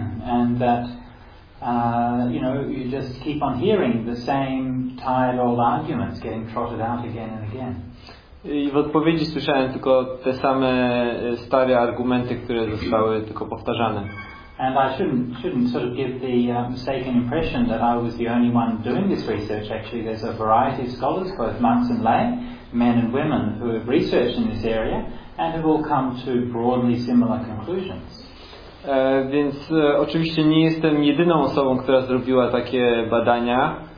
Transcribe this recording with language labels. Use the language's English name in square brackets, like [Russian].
[English] And that, you know, you just keep on hearing the same tired old arguments getting trotted out again and again. [Polish] I w odpowiedzi słyszałem tylko te same stare argumenty, które zostały tylko powtarzane. [English] And I shouldn't sort of give the mistaken impression that I was the only one doing this research. Actually, there's a variety of scholars, both monks and lay, men and women, who have researched in this area and have all come to broadly similar conclusions. [Polish] Więc oczywiście nie jestem jedyną osobą, która zrobiła takie badania.